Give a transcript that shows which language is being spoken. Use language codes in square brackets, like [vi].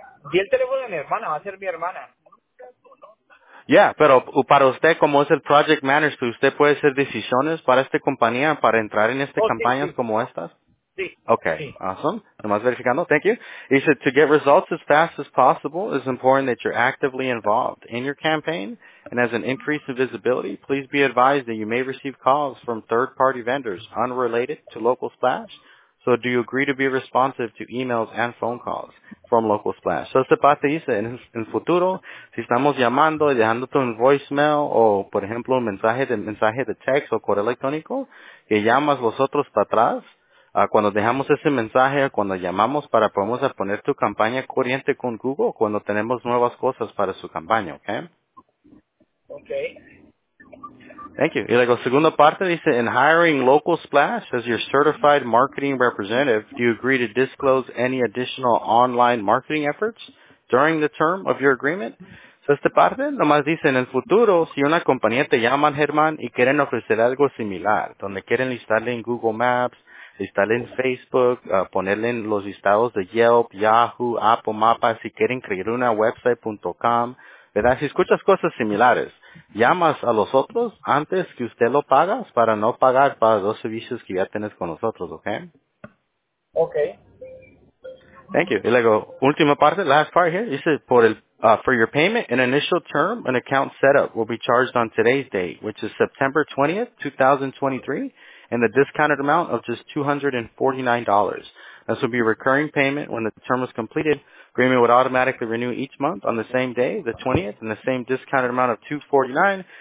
[es] Di el teléfono de mi hermana, va a ser mi hermana. Yeah, pero para usted, como es el project manager, ¿usted puede hacer decisiones para esta compañía para entrar en esta campaña sí. Como estas? Sí. [en] Okay, [es] sí. [en] Awesome. [es] Nomás verificando. [en] Thank you. He said, to get results as fast as possible, it's important that you're actively involved in your campaign. And as an increase in visibility, please be advised that you may receive calls from third-party vendors unrelated to Local Splash. So do you agree to be responsive to emails and phone calls from Local Splash? [es] So esta parte dice, en futuro, si estamos llamando y dejándote un voicemail o, por ejemplo, un mensaje de text o correo electrónico, que llamas vosotros para atrás, cuando dejamos ese mensaje, cuando llamamos para podemos poner tu campaña corriente con Google, cuando tenemos nuevas cosas para su campaña, ¿ok? Ok. [en] Thank you. [es] Y luego, segunda parte dice, [en] in hiring Local Splash as your certified marketing representative, do you agree to disclose any additional online marketing efforts during the term of your agreement? [es] So esta parte nomás dice, en el futuro, si una compañía te llama, Germán, y quieren ofrecer algo similar, donde quieren listarle en Google Maps, instale en Facebook, ponerle en los listados de Yelp, Yahoo, Apple, Mapa, si quieren crear una website.com, ¿verdad? Si escuchas cosas similares, llamas a los otros antes que usted lo pagas para no pagar para los servicios que ya tienes con nosotros, ¿ok? Ok. [en] Thank you. [es] Y luego, última parte, [en] last part here, dice, for your payment, an initial term, an account setup will be charged on today's date, which is September 20th, 2023, and the discounted amount of just $249. This will be a recurring payment. When the term is completed, Greenman would automatically renew each month on the same day, the 20th, and the same discounted amount of $249.